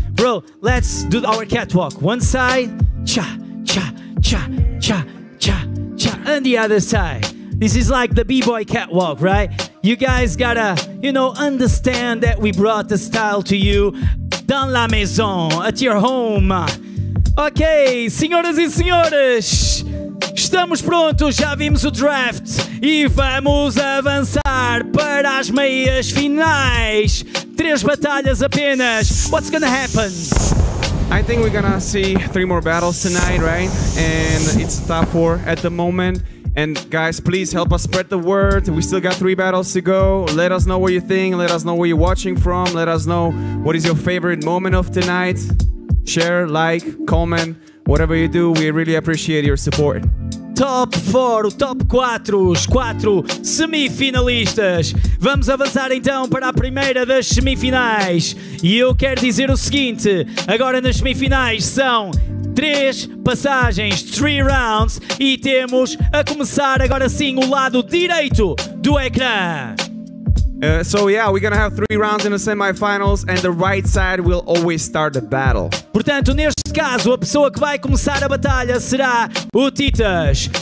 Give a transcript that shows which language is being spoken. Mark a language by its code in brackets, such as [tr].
[en] Bro, let's do our catwalk. One side, cha, cha, cha, cha, cha, cha, and the other side. This is like the B-Boy catwalk, right? You guys gotta, you know, understand that we brought the style to you. [fr] dans la maison, [en] at your home. [pt] Ok, senhoras e senhores, estamos prontos, já vimos o draft e vamos avançar para as meias finais. Três batalhas apenas. [en] What's gonna happen? I think we're gonna see three more battles tonight, right? And it's a top four at the moment. And guys, please help us spread the word. We still got three battles to go. Let us know what you think. Let us know where you're watching from. Let us know what is your favorite moment of tonight. Share, like, comment, whatever you do, we really appreciate your support. [pt] Top 4, top 4, os 4 semifinalistas. Vamos avançar então para a primeira das semifinais. E eu quero dizer o seguinte, agora nas semifinais são 3 passagens, 3 rounds, e temos a começar agora sim o lado direito do ecrã. [en] So yeah, we're gonna have 3 rounds in the semifinals and the right side will always start the battle. [pt] Portanto, neste caso, a pessoa que vai começar a batalha será o Titas.